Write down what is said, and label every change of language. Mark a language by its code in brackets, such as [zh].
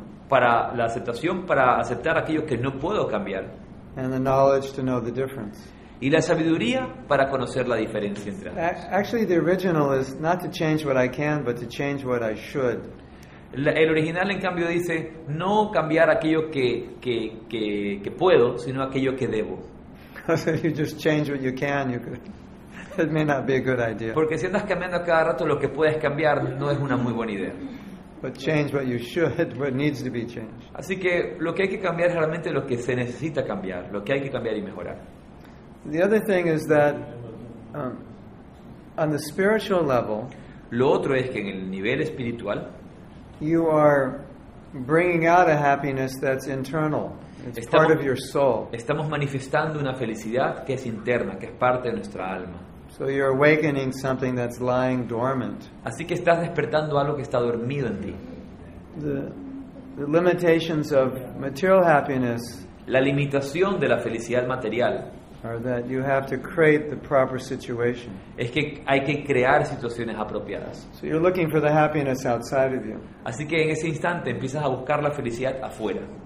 [es] La aceptación para aceptar aquello que no puedo cambiar. [en] And the knowledge to know the difference. [es] Y la sabiduría para conocer la diferencia entre ambas. [en] Actually, the original is not to change what I can, but to change what I should. [es] El original, en cambio, dice no cambiar aquello que puedo, sino aquello que debo. [en] You just change what you can. You could. It may not be a good idea. [es] Porque si andas cambiando cada rato lo que puedes cambiar, no es una muy buena idea. [en] But change what you should, what needs to be changed. [es] Así que lo que hay que cambiar es realmente lo que se necesita cambiar, lo que hay que cambiar y mejorar. [en] The other thing is that on the spiritual level, [es] lo otro es que en el nivel espiritual, [en] you are bringing out a happiness that's internal. It's part of your soul. [es] Estamos manifestando una felicidad que es interna, que es parte de nuestra alma. [en] So you're awakening something that's lying dormant. [es] Así que estás despertando algo que está dormido en ti. [en] The limitations of material happiness, [es] la limitación de la felicidad material, [en] are that you have to create the proper situation. [es] Es que hay que crear situaciones apropiadas. [en] So you're looking for the happiness outside of you. [es] Así que en ese instante empiezas a buscar la felicidad afuera.